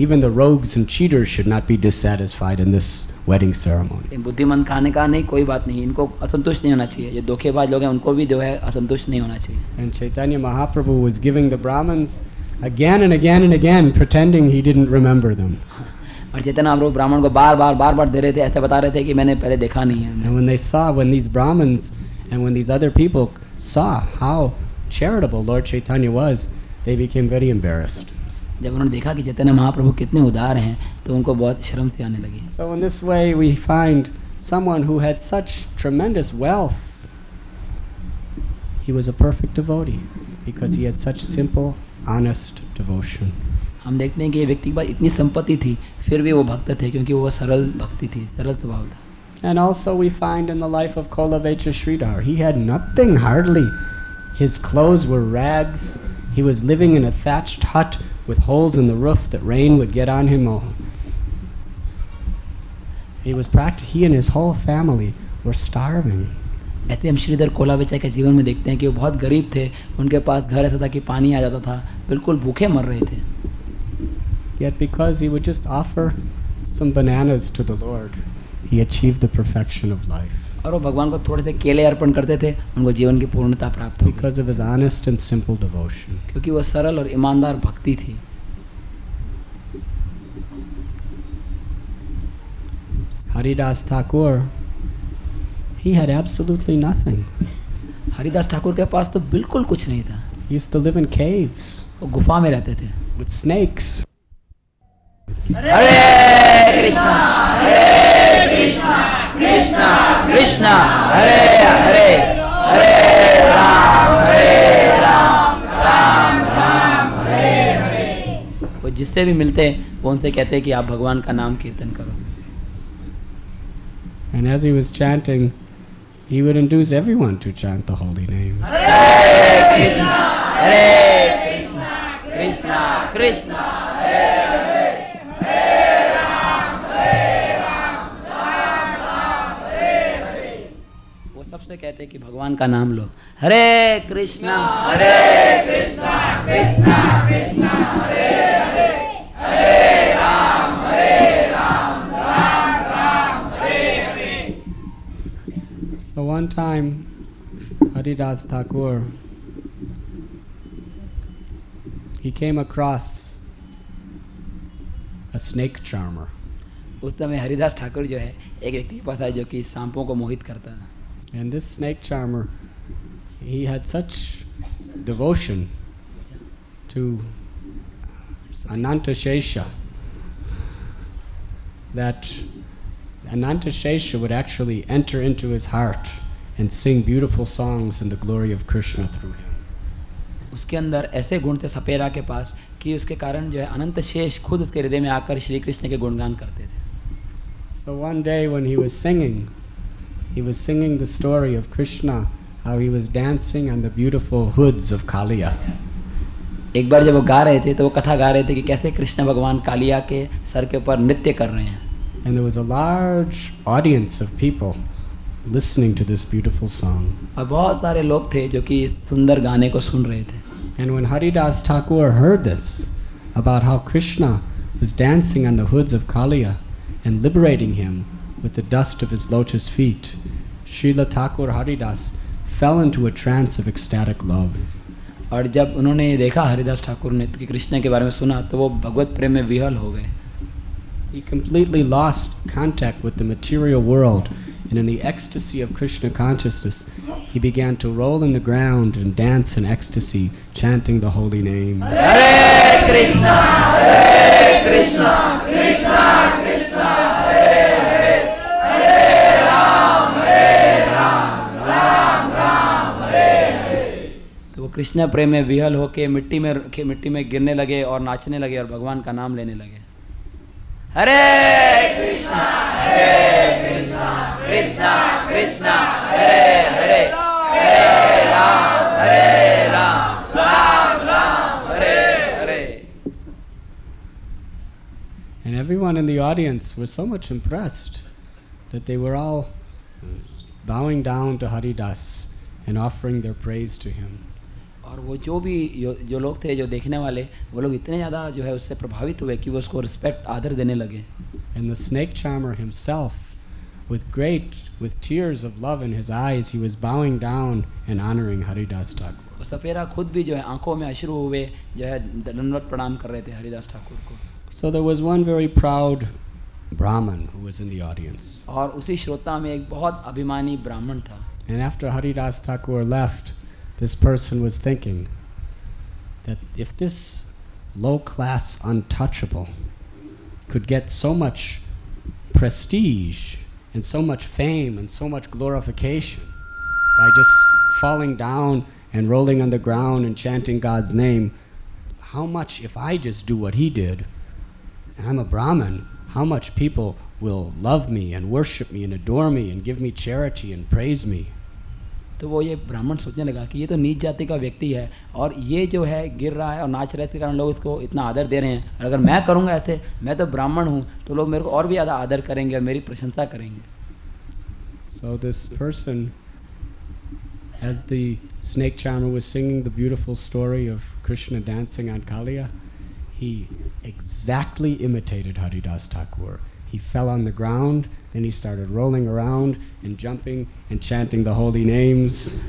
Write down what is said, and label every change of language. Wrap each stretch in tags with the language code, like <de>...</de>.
<en>Even the rogues and cheaters should not be dissatisfied in this wedding ceremony."</en> <hi>बुद्धिमान खान ने कहा नहीं कोई बात नहीं इनको असंतुष्ट नहीं होना चाहिए जो धोखेबाज लोग हैं उनको भी जो है असंतुष्ट नहीं होना चाहिए.</hi> <en>And Chaitanya Mahaprabhu was giving the Brahmins again and again and again, pretending he didn't remember them.</en> <hi>और चैतन्य महाप्रभु ब्राह्मण को बार बार बार बार दे रहे थे ऐसे बता रहे थे कि मैंने पहले देखा नहीं है.</hi> <en>And when they saw, when these Brahmins and when these other people saw how charitable Lord Chaitanya was, they became very embarrassed.</en> <hi>जब उन्होंने देखा कि चैतन्य महाप्रभु कितने उदार हैं तो उनको बहुत शर्म से आने लगी.</hi> <en>So in this way we find someone who had such tremendous wealth. He was a perfect devotee because he had such simple, honest devotion.</en> <hi>हम देखते हैं कि ये व्यक्ति के पास इतनी संपत्ति थी फिर भी वो भक्त थे क्योंकि वो सरल भक्ति थी, सरल स्वभाव था.</hi> <en>And also we find in the life of Kolavecha Sridhar, he had nothing, hardly. His clothes were rags. He was living in a thatched hut with holes in the roof that rain would get on him all. He and his whole family were starving.</en> <hi>ऐसे हम श्रीधर कोलावेचा के जीवन में देखते हैं कि वो बहुत गरीब थे. उनके पास घर ऐसा था कि पानी आ जाता था, बिल्कुल भूखे मर रहे थे.</hi> <en>Yet because he would just offer some bananas to the Lord, he achieved the perfection of life.</en> <hi>और वो भगवान को थोड़े से केले अर्पण करते थे, उनको जीवन की पूर्णता प्राप्त होगी.</hi> <en>Because of his honest and simple devotion.</en> <hi>क्योंकि वो सरल और ईमानदार भक्ति थी.</hi> <en>Haridas Thakur, he had absolutely nothing.</en> <hi>Haridas Thakur के पास तो बिल्कुल कुछ नहीं था.</hi> <en>He used to live in caves.</en> <hi>वो गुफा में रहते थे.</hi> <en>With snakes.</en> <sa>हरे कृष्णा, हरे Krishna. Krishna, Krishna, Hare Hare, Hare Ram, Hare Ram, Ram Ram, Hare Hare.</sa> <hi>वो जिससे भी मिलते वो उनसे कहते कि आप भगवान का नाम कीर्तन करो.</hi> <en>And as he was chanting, he would induce everyone to chant the holy names.</en> <sa>Hare Krishna, Hare Krishna, Krishna, Krishna, Krishna.</sa> <hi>सबसे कहते कि भगवान का नाम लो,</hi> <sa>हरे कृष्णा, हरे कृष्णा, कृष्णा कृष्णा, हरे हरे, हरे Ram, Ram Ram, Hare Hare.</sa> <en>So one time, Haridas Thakur, he came across a snake charmer.</en> <hi>उस समय हरिदास ठाकुर जो है एक व्यक्ति के पास आए जो कि सांपों को मोहित करता था.</hi> <en>And this snake charmer, he had such devotion to Anantashesha that Anantashesha would actually enter into his heart and sing beautiful songs in the glory of Krishna through him.</en> <hi>उसके अंदर ऐसे गुण थे सपेरा के पास कि उसके कारण जो है अनंतशेष खुद उसके हृदय में आकर श्री कृष्ण के गुणगान करते थे.</hi> <en>So one day when he was singing, he was singing the story of Krishna, how he was dancing on the beautiful hoods of Kaliya.</en> <hi>एक बार जब वो गा रहे थे तो वो कथा गा रहे थे कि कैसे कृष्ण भगवान कालिया के सर के ऊपर नृत्य कर रहे हैं.</hi> <en>And there was a large audience of people listening to this beautiful song.</en> <hi>और बहुत सारे लोग थे जो कि सुंदर गाने को सुन रहे थे.</hi> <en>And when Haridas Thakur heard this about how Krishna was dancing on the hoods of Kaliya and liberating him with the dust of his lotus feet, Srila Thakur Haridas fell into a trance of ecstatic love.</en> <hi>और जब उन्होंने देखा हरिदास ठाकुर ने कि कृष्ण के बारे में सुना तो वो भगवत प्रेम में विहल हो गए.</hi> <en>He completely lost contact with the material world, and in the ecstasy of Krishna consciousness, he began to roll in the ground and dance in ecstasy, chanting the holy name.</en> <sa>Hare Krishna, Hare Krishna, Krishna Krishna.</sa> <hi>Krishna प्रेम में विहल होके मिट्टी में गिरने लगे और नाचने लगे और भगवान का नाम लेने लगे.</hi> <sa>हरे कृष्णा, हरे कृष्णा, कृष्णा कृष्णा, हरे हरे, हरे राम, हरे Ram, Ram Ram, Hare Hare.</sa> <en>And everyone in the audience was so much impressed that they were all bowing down to Haridas and offering their praise to him.</en> <hi>और वो जो भी जो लोग थे जो देखने वाले वो लोग इतने ज़्यादा जो है उससे प्रभावित हुए कि वो उसको रिस्पेक्ट आदर देने लगे.</hi> <en>And the snake charmer himself, with tears of love in his eyes, he was bowing down and honoring Haridas Thakur.</en> <hi>सपेरा खुद भी जो है आंखों में अश्रु हुए जो है दंडवत प्रणाम कर रहे थे हरिदास ठाकुर को.</hi> <en>So there was one very proud Brahmin who was in the audience.</en> <hi>और उसी श्रोता में एक बहुत अभिमानी ब्राह्मण था.</hi> <en>And after Haridas Thakur left, this person was thinking that if this low-class untouchable could get so much prestige and so much fame and so much glorification by just falling down and rolling on the ground and chanting God's name, how much if I just do what he did, and I'm a Brahmin, how much people will love me and worship me and adore me and give me charity and praise me.</en> <hi>तो वो ये ब्राह्मण सोचने लगा कि ये तो नीच जाति का व्यक्ति है और ये जो है गिर रहा है और नाच रहा है, इसके कारण लोग इसको इतना आदर दे रहे हैं, और अगर मैं करूँगा ऐसे, मैं तो ब्राह्मण हूँ, तो लोग मेरे को और भी ज़्यादा आदर करेंगे और मेरी प्रशंसा करेंगे.</hi> <en>So this person, as the snake charmer was singing the beautiful story of Krishna dancing on Kaliya, he exactly imitated Haridas Thakur. He fell on the ground, then he started rolling around and jumping and chanting the holy names.</en>